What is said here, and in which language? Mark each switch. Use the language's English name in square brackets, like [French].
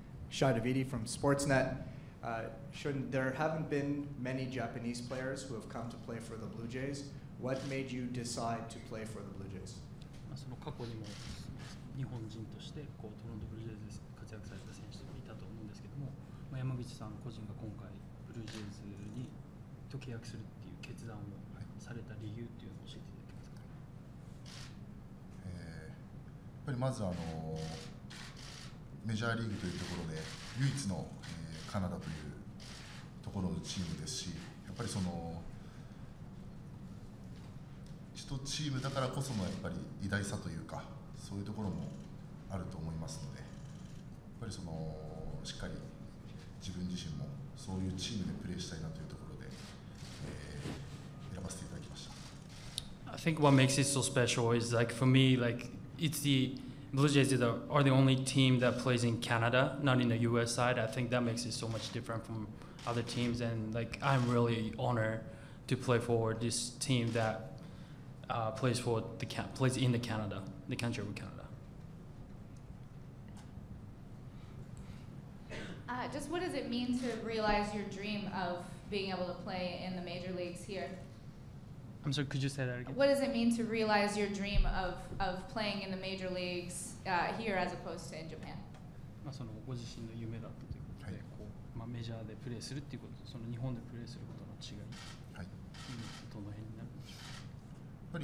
[English] Shai Davidi from Sportsnet. Shun, there haven't been many Japanese players who have come to play for the Blue Jays. What made you decide to play for the Blue Jays? [Japanese] その過去にも日本人としてこうトロントブルージェイズで活躍された選手もいたと思うんですけども、まあ、山口さん個人が今回ブルージェイズにと契約するっていう決断をされた理由っていうのを教えていただけますか。やっぱりまずメジャーリーグというところで唯一の、カナダというところのチームですし、やっぱりその一チームだからこそのやっぱり偉大さというかそういうところもあると思いますので、やっぱりそのしっかり自分自身もそういうチームでプレーしたいなというところで、選ばせていただきました。 [English] I think what makes it so special is like for me like it's the Blue Jays are the only team that plays in Canada, not in the US side. I think that makes it so much different from other teams, and like I'm really honored to play for this team thatplays in the Canada, the country of Canada. Just what does it mean to realize your dream of being able to play in the major leagues here? I'm sorry, could you say that again? What does it mean to realize your dream of playing in the major leagues here as opposed to in Japan? [Japanese] まあそのご自身の夢だったということで、はい、こうまあメジャーでプレーするっていうこと、その日本でプレーすることの違い、はい、どの辺になるんでしょうか。